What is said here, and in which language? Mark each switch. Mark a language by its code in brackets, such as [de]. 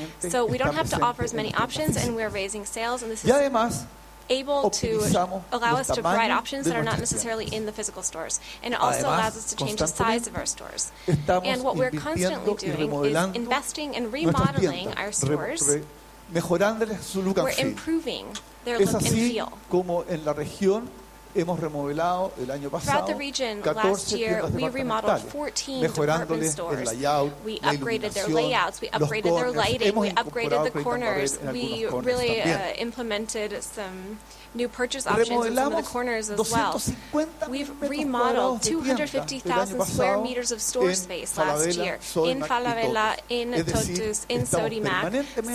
[en] So we don't have to offer as many options, and we're raising sales, and this is able to allow us to provide options that are not necessarily in the physical stores. And it also allows us to change the size of our stores. And what we're constantly doing is investing and remodeling our stores. We're improving their look and feel. [es] Como en la región hemos remodelado el año pasado. [en] Throughout the region last year, we remodeled 14 department stores. Layout, we upgraded their layouts. We upgraded their lighting. We upgraded the corners. We really implemented some new purchase options in some of the corners as well. We've remodeled 250,000 square meters of store space last year in Falabella, in Totus, in Sodimac.